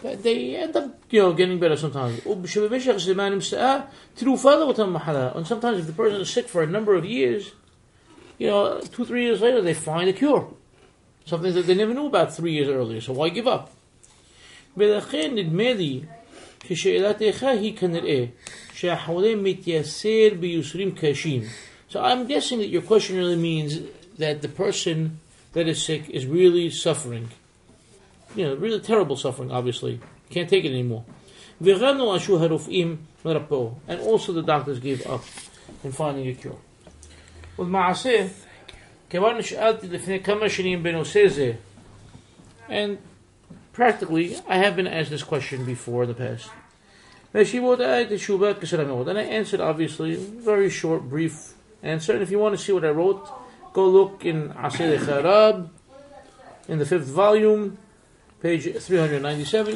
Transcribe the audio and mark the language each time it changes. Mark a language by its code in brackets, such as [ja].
[en] They end up, you know, getting better sometimes. And sometimes if the person is sick for a number of years, you know, 2-3 years later, they find a cure. Something that they never knew about 3 years earlier, so why give up? Okay. [he] שהחולה מתייסר ביוסרים קשים. [en] So I'm guessing that your question really means that the person that is sick is really suffering. You know, really terrible suffering, obviously. Can't take it anymore. [he] וגם לא עשו הרופאים לרפאו. [en] And also the doctors gave up in finding a cure. [he] ולמעשה, כבר נשאלתי לפני כמה שנים בנושא זה. [en] And practically, I have been asked this question before in the past. And I answered, obviously, very short, brief answer. And if you want to see what I wrote, go look in Aseh Lecharab, in the fifth volume, page 397.